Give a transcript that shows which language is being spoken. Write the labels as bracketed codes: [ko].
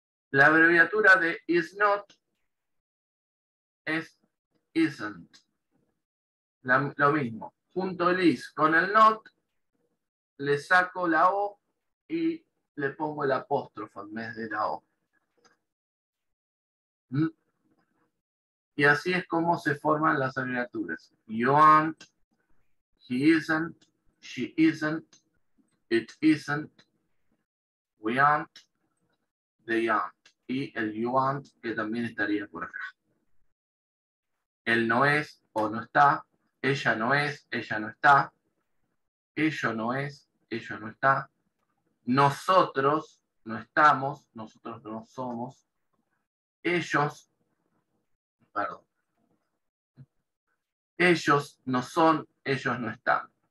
[es] La abreviatura de is not es isn't. Lo mismo. Junto el is con el not, le saco la O y le pongo el apóstrofo en vez de la O. Y así es como se forman las abreviaturas. [en] You aren't, he isn't, she isn't, it isn't, we aren't, they aren't. [es] Y el you aren't, que también estaría por acá. Él no es o no está, ella no es, ella no está, ello no es, ello no está, nosotros no estamos, nosotros no somos, ellos, perdón, ellos no son, ellos no están.